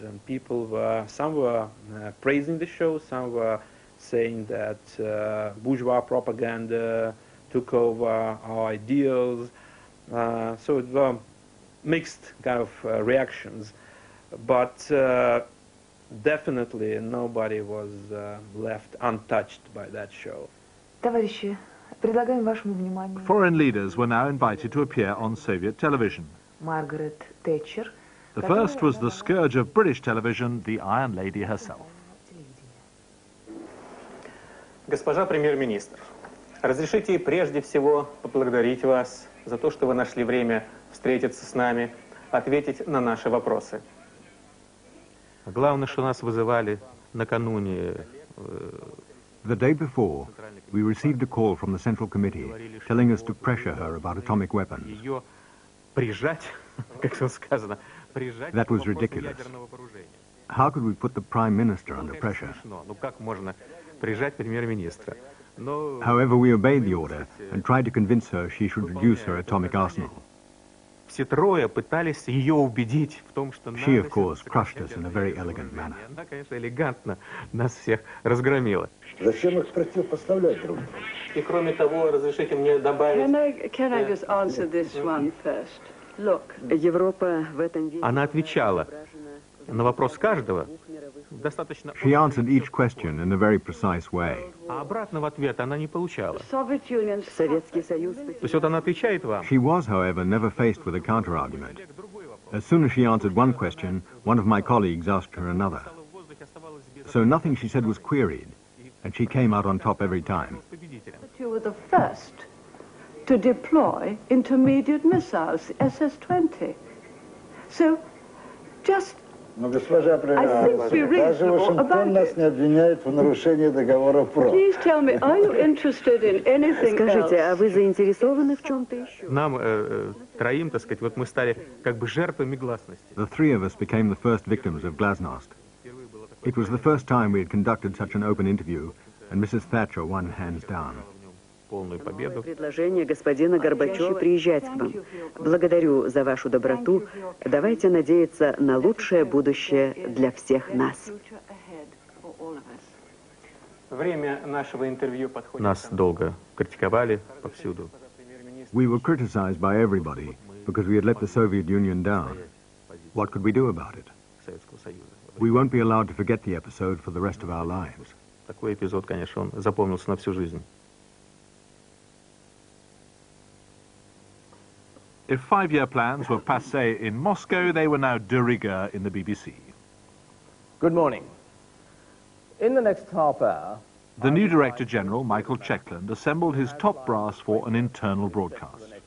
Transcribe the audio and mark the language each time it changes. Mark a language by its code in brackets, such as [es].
[en] And people were, some were praising the show, some were saying that bourgeois propaganda took over our ideals. So it were mixed kind of reactions. But definitely nobody was left untouched by that show. [ru] Товарищи, предлагаем вашему вниманию... [en] Foreign leaders were now invited to appear on Soviet television. Margaret Thatcher. The first was the scourge of British television, the Iron Lady herself. [ru] Госпожа премьер-министр, разрешите прежде всего поблагодарить вас за то, что вы нашли время встретиться с нами, ответить на наши вопросы. Главное, что нас вызывали накануне... The day before, we received a call from the Central Committee telling us to pressure her about atomic weapons. Ее прижать, как сказано, прижать... [en] That was ridiculous. How could we put the Prime Minister under pressure? [ru] Ну, как можно прижать премьер-министра? [en] However, we obeyed the order and tried to convince her she should reduce her atomic arsenal. [ru] Все трое пытались ее убедить в том, что... [en] She, of course, crushed us in a very elegant manner. [ru] Она, конечно, элегантно нас всех разгромила. Зачем их просил поставлять друг? И кроме того, разрешите мне добавить... [en] Can I just answer this one first? Look, [ru] Европа в этом виде... Она отвечала на вопрос каждого достаточно... She answered each question in a very precise way. А обратного ответа она не получала. Советский Союз... То есть вот она отвечает вам... [en] She was, however, never faced with a counter-argument. As soon as she answered one question, one of my colleagues asked her another. So nothing she said was queried, and she came out on top every time. But you were the first to deploy intermediate missiles, SS-20. So, just I think it'd be reasonable about it. Please tell me, are you interested in anything else? [ru] Скажите, а вы заинтересованы в чем-то еще? Нам троим, так сказать, вот мы стали как бы жертвами гласности. [en] The three of us became the first victims of glasnost. It was the first time we had conducted such an open interview, and Mrs. Thatcher won hands down. [ru] Предложение господина Горбачева приезжать к вам. Благодарю за вашу доброту. Давайте надеяться на лучшее будущее для всех нас. Время нашего интервью подходит. Нас долго критиковали повсюду. [en] We were criticized by everybody because we had let the Soviet Union down. What could we do about it? We won't be allowed to forget the episode for the rest of our lives. [ru] Такой эпизод, конечно, он запомнился на всю жизнь. [en] If five-year plans were passé in Moscow, they were now de rigueur in the BBC. Good morning. In the next half hour... The new Director General, Michael Checkland, assembled his top brass for an internal broadcast.